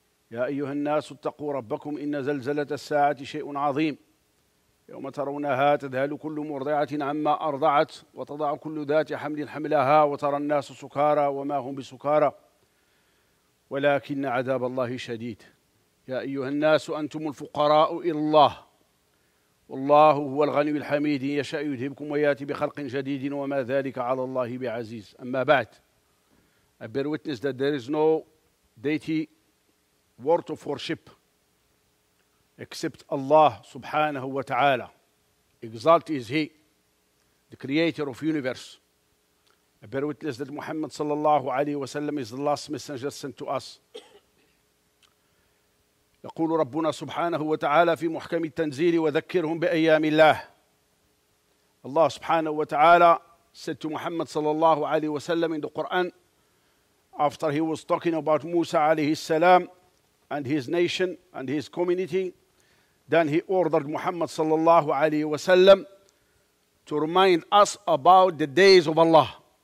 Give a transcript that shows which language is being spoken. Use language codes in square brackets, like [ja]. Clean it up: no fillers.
[ar] يا أيها الناس اتقوا ربكم، إن زلزلة الساعة شيء عظيم، يوم ترونها تذهل كل مرضعة عما أرضعت، وتضع كل ذات حمل حملها، وترى الناس سكارى وما هم بسكارى ولكن عذاب الله شديد. يا أيها الناس أنتم الفقراء إلى الله، والله هو الغني الحميد، يشأ يذهبكم ويأتي بخلق جديد، وما ذلك على الله بعزيز. أما بعد، [en] I bear witness that there is no deity worth of worship except Allah [ar] سبحانه وتعالى. [en] Exalted is He, the creator of universe. I bear witness that Muhammad sallallahu alayhi wa sallam is the last messenger sent to us. [ar] يقول ربنا سبحانه وتعالى في محكم التنزيل: وذكرهم بأيام الله. الله سبحانه وتعالى [en] said to Muhammad sallallahu alayhi wa sallam in the Quran, after he was talking about Musa alayhi salam and his nation and his community, then he ordered Muhammad sallallahu alayhi wa sallam to remind us about the days of Allah.